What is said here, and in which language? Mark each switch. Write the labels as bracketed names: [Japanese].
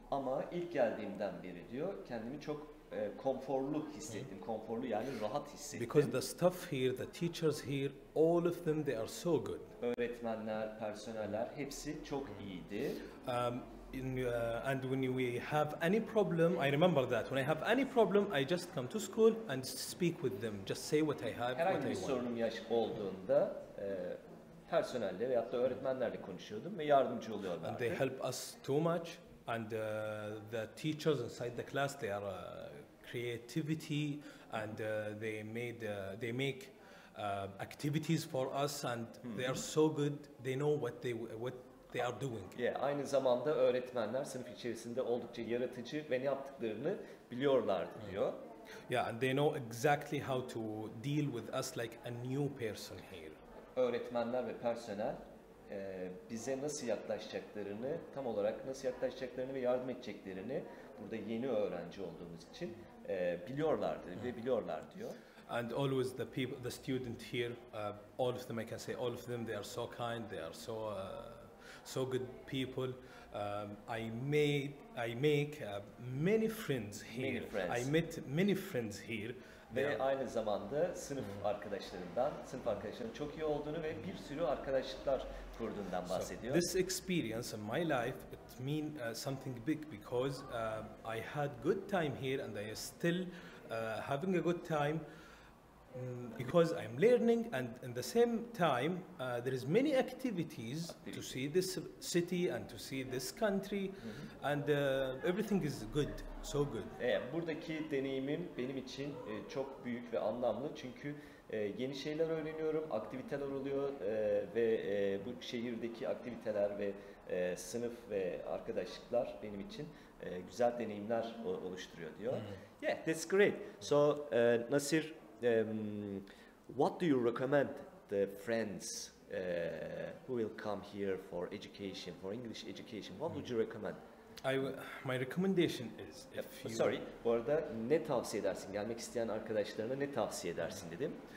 [Turkish] Ama ilk geldiğimden beri diyor kendimi çok konforlu hissettim. Konforlu yani rahat hissettim. [English] Because the staff here, the teachers here, all of them they are so good. [Turkish] Öğretmenler, personeller hepsi çok iyiydi. [English] And when we have any problem, I remember that when I have any problem, I just come to school and speak with them. Just say what I have, what I want. [Turkish] Herhangi bir sorunum olduğunda personelle veyahut da öğretmenlerle konuşuyordum ve yardımcı oluyorlardı. [English] And they help us too much. And the teachers inside the class, they are creativity and they make activities for us and they are so good. They know what they are doing. [Turkish] Yeah, aynı zamanda öğretmenler sınıf içerisinde oldukça yaratıcı ve ne yaptıklarını biliyorlar diyor. [English] Yeah, and they know exactly how to deal with us like a new person here. [Turkish] Öğretmenler ve personel bize nasıl yaklaşacaklarını, tam olarak nasıl yaklaşacaklarını ve yardım edeceklerini burada yeni öğrenci olduğumuz için biliyorlardı ve biliyorlar diyor. [English] And always the people, the student here, all of them, I can say all of them, they are so kind, they are so so good people. I make many friends here. Many friends. I met many friends here. [Turkish] Ve aynı zamanda sınıf arkadaşlarından, sınıf arkadaşlarının çok iyi olduğunu ve bir sürü arkadaşlıklar kurduğundan bahsediyor. [English] So, this experience in my life, it mean something big because I had good time here and I still having a good time because I'm learning and in the same time there is many activities to see this city and to see this country and everything is good. So good. [Turkish] Buradaki deneyimim benim için çok büyük ve anlamlı çünkü yeni şeyler öğreniyorum, aktiviteler oluyor ve bu şehirdeki aktiviteler ve sınıf ve arkadaşlıklar benim için güzel deneyimler oluşturuyor diyor. [English] Yeah, that's great. So, Nasir, what do you recommend the friends who will come here for education, for English education? What would you recommend? My recommendation is if you... [Turkish] Sorry, bu arada ne tavsiye edersin? Gelmek isteyen arkadaşlarına ne tavsiye edersin dedim.